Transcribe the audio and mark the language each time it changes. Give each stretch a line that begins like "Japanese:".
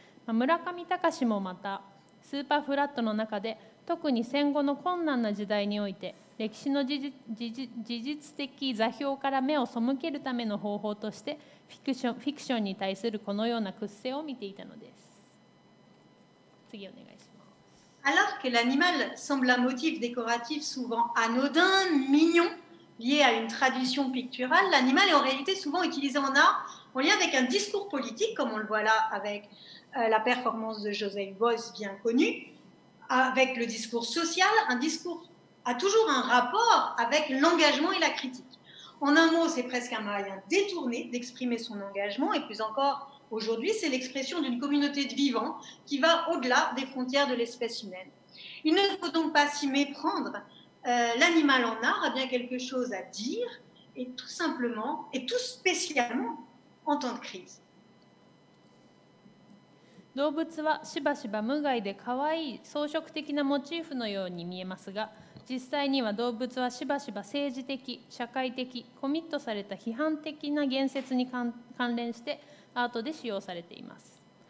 Japanese: 村上隆もまたスーパーフラットの中で、特に戦後の困難な時代において歴史の事実的座標から目を背けるための方法として、フィクションに対するこのような屈折を見ていたのです。次お願いします。
French: Alors que l'animal semble un motif décoratif souvent anodin, mignon, lié à une tradition picturale, l'animal est en réalité souvent utilisé en art en lien avec un discours politique, comme on le voit là avec la performance de Joseph Beuys, bien connue, avec le discours social, un discours a toujours un rapport avec l'engagement et la critique. En un mot, c'est presque un moyen détourné d'exprimer son engagement, et plus encore, aujourd'hui, c'est l'expression d'une communauté de vivants qui va au-delà des frontières de l'espèce humaine. Il ne faut donc pas s'y méprendre. L'animal en art a bien quelque chose à dire, et tout simplement, et tout spécialement, en temps de crise.
Japanese: 動物はしばしば無害で可愛い装飾的なモチーフのように見えますが、実際には動物はしばしば政治的、社会的、コミットされた批判的な言説に関連してアートで使用されています。